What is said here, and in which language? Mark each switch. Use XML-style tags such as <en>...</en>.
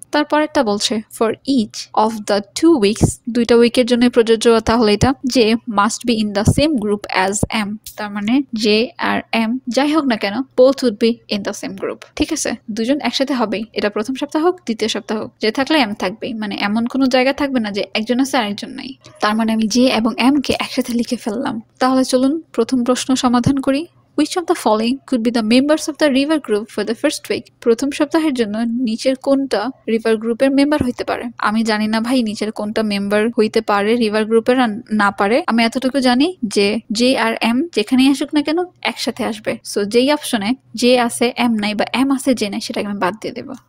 <bn>তারপরেরটা বলছে</bn> <en>for each of the 2 weeks,</en> <bn>2টা উইকের জন্যই প্রযোজ্য, তাহলে এটা যে</bn> <en>must be in the same group as M,</en> <bn>তার মানে জে আর এম যাই হোক না কেন,</bn> <en>both would be in the same group,</en> <bn>ঠিক আছে? 2জন একসাথে হবেই, এটা প্রথম সপ্তাহ হোক দ্বিতীয় সপ্তাহ হোক, যে থাকলে এম থাকবেই, মানে এমন কোনো জায়গা থাকবে না যে একজন আছে আরেকজন নাই। তার মানে আমি জে এবং এম কে একসাথে লিখে ফেললাম। তাহলে চলুন প্রথম প্রশ্ন সমাধান করি।</bn> <en>Which of the following could be the members of the river group for the first week?</en> <bn>প্রথম সপ্তাহের জন্য নিচের কোনটা রিভার গ্রুপের মেম্বার হইতে পারে? আমি জানি না ভাই, নিচের কোনটা মেম্বার হইতে পারে রিভার গ্রুপের আর না পারে। আমি এতটুকু জানি যে জে আর এম যেখানেই আসুক না কেন একসাথে আসবে। সো যেই অপশনে জে আছে এম নাই, বা এম আছে জে নাই, সেটাকে আমি বাদ দিয়ে দেবো।</bn>